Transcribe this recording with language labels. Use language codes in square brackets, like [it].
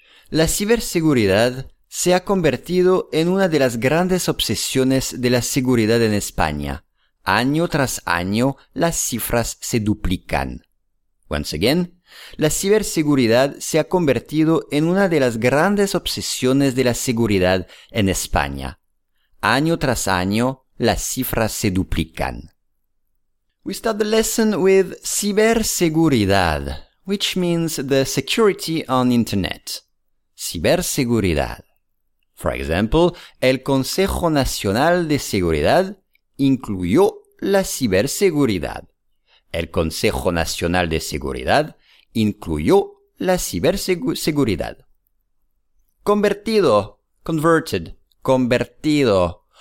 [es] La ciberseguridad se ha convertido en una de las grandes obsesiones de la seguridad en España. Año tras año, las cifras se duplican. [en] Once again, [es] la ciberseguridad se ha convertido en una de las grandes obsesiones de la seguridad en España. Año tras año, las cifras se duplican. [en] We start the lesson with ciberseguridad, which means the security on internet. [es] Ciberseguridad. [en] For example, [es] el Consejo Nacional de Seguridad incluyó la ciberseguridad. El Consejo Nacional de Seguridad incluyó la ciberseguridad. Convertido, converted, convertido.